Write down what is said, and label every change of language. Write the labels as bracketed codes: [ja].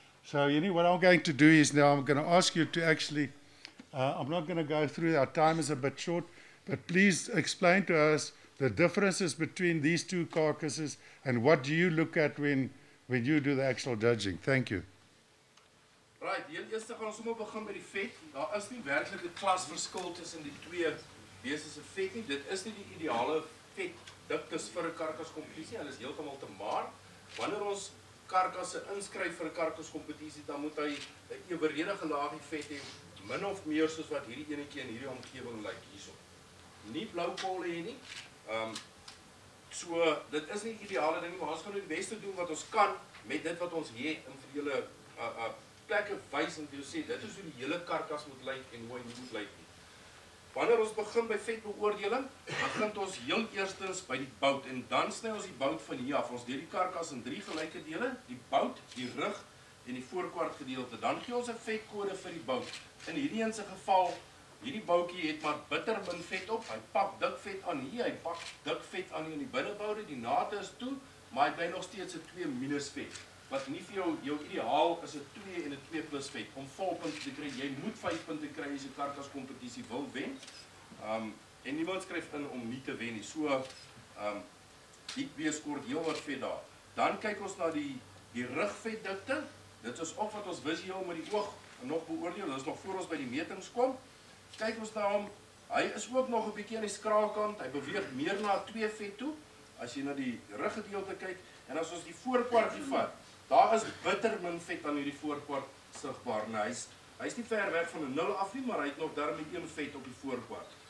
[en] So anyway, what I'm going to do is now I'm going to ask you to actually, I'm not going to go through, our time is a bit short, but please explain to us the differences between these two carcasses and what do you look at when you do the actual judging. Thank you. [af] Right, heel eerste gaan ons sommer begin by die vet. Daar is nie werklik 'n klasverskil tussen die twee beeste se vet nie. Dit is nie die ideale vet diktes vir 'n karkaskompetisie. Hulle is heeltemal te maar. Wanneer ons karkasse inskryf vir 'n karkaskompetisie, dan moet hy 'n ewerredige laagie vet hê, min of meer soos wat hierdie enetjie in hierdie omgewing lyk hierso. Nie bloukol hê nie. So dit is nie ideale ding, maar ons gaan nou die beste doen wat ons kan met dit wat ons hier in vir julle plekke wys en jy sê dit is hoe die hele karkas moet lyk en hoe hy moet lyk. Wanneer ons begin by vetbeoordeling, begin ons heel eerstens by die bout en dan sny ons die bout van hier af. Ons deel die karkas in drie gelyke dele, die bout, die rug en die voorkwart gedeelte. Dan gee ons 'n vetkode vir die bout. In hierdie een se geval, hierdie boutjie het maar bitter min vet op. Hy pak dik vet aan hier, hy pak dik vet aan hier in die binneboude. Die nate is toe, maar hy bly nog steeds 'n 2 minus vet. Wat nie vir jou ideaal is 'n 2 en 'n 2 plus vet. Om volpunte te kry, jy moet 5 punte kry as jy karkas kompetisie wil wen. En niemand skryf in om nie te wen nie. So die B-skoort heel wat vet daar. Dan kyk ons na die rugvetdikte. Dit is ook wat ons visueel met die oog nog beoordeel. Dit is nog voor ons by die metings kom. Kyk ons na hom. Hy is ook nog 'n bietjie aan die skraalkant. Hy beweeg meer na 2 vet toe as jy na die ruggedeelte kyk. En as ons die voorkwartjie vat, daar is bitter min vet aan hierdie voorkwart sigbaar. Nou, hy is nie ver weg van 'n 0 af nie, maar hy het nog daarmee 1 vet op die voorkwart.